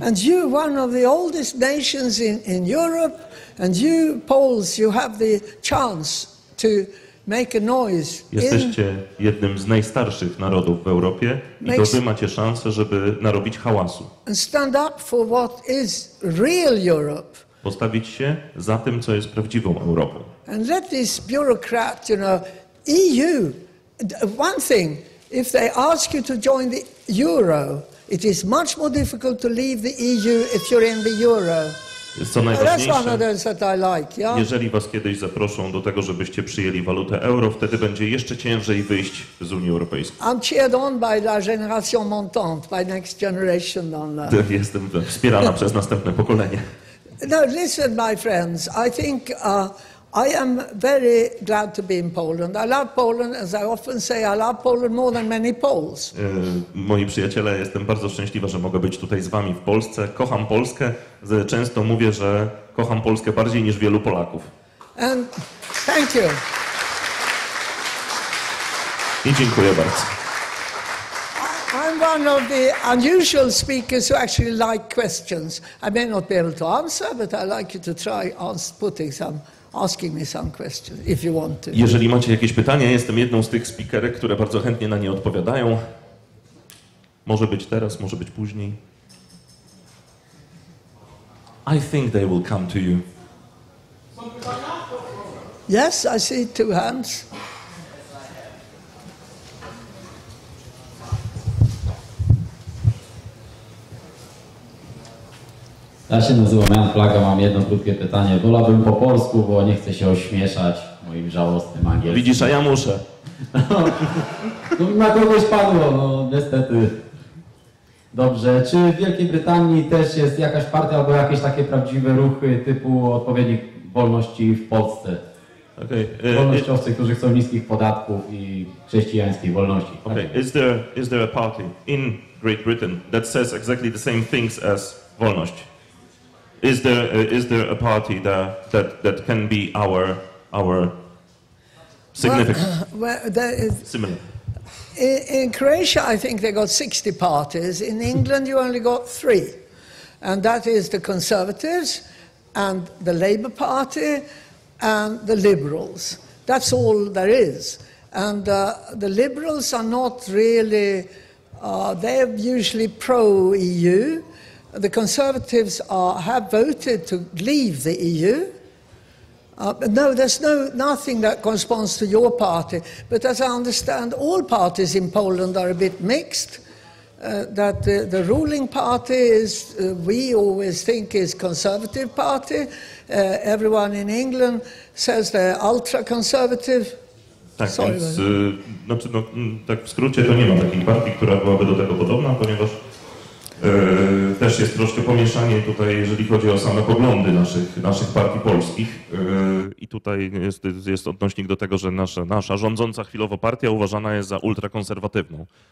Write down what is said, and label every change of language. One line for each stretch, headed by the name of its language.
English: And you, one of the oldest nations in Europe, and you Poles, you have the chance to make a noise.
Polish: Jesteście jednym z najstarszych narodów w Europie i to wy macie szansę, żeby narobić hałasu.
English: And stand up for what is real Europe.
Polish: Postawić się za tym, co jest prawdziwą Europą.
English: And let this bureaucrat, you know, EU, one thing. If they ask you to join the euro, it is much more difficult to leave the EU if you're in the euro.
Polish: Co najważniejsze,
English: that's one of those that I like, yeah?
Polish: Jeżeli was kiedyś zaproszą do tego, żebyście przyjęli walutę euro, wtedy będzie jeszcze ciężej wyjść z Unii Europejskiej.
English: I'm cheered on by
French: la génération montante,
English: by next generation on that.
Polish: Jestem wspierana przez następne pokolenie.
English: No, listen, my friends, I think. I am very glad to be in Poland. I love Poland, as I often say, I love Poland more than many Poles.
Polish: Moi przyjaciele, jestem bardzo szczęśliwa, że mogę być tutaj z wami w Polsce. Kocham Polskę. Często mówię, że kocham Polskę bardziej niż wielu Polaków.
English: And thank you.
Polish: I dziękuję bardzo.
English: I'm one of the unusual speakers who actually like questions. I may not be able to answer, but I like you to try putting some, asking me some questions if you want to.
Polish: Jeżeli macie jakieś pytania, jestem jedną z tych speakerek, które bardzo chętnie na nie odpowiadają. Może być teraz, może być później.
English: I think they will come to you. Yes, I see two hands.
Polish: Ja się nazywam Jan Plaga, mam jedno krótkie pytanie. Wolałbym po polsku, bo nie chcę się ośmieszać moim żałosnym angielskim. Widzisz, a ja muszę. No, na kogoś padło, no niestety. Dobrze, czy w Wielkiej Brytanii też jest jakaś partia albo jakieś takie prawdziwe ruchy typu odpowiednik wolności w Polsce?
English: Okay.
Polish: Wolnościowcy, którzy chcą niskich podatków i chrześcijańskiej wolności.
English: Okay. Tak? Is there a party in Great Britain that says exactly the same things as wolność? Is there a party that can be our significant? Well, there is similar. In Croatia, I think they got 60 parties. In England, you only got 3, and that is the Conservatives, and the Labour Party, and the Liberals. That's all there is. And the Liberals are not really; they're usually pro-EU. The Conservatives have voted to leave the EU. But no, there's nothing that corresponds to your party. But as I understand, all parties in Poland are a bit mixed. That the ruling party is, we always think, is Conservative Party. Everyone in England says they're ultra-conservative.
Polish: Tak, sorry, więc tak w skrócie to nie ma takiej partii, która byłaby do tego podobna, ponieważ też jest troszkę pomieszanie tutaj, jeżeli chodzi o same poglądy naszych partii polskich. I tutaj jest odnośnik do tego, że nasza rządząca chwilowo partia uważana jest za ultrakonserwatywną.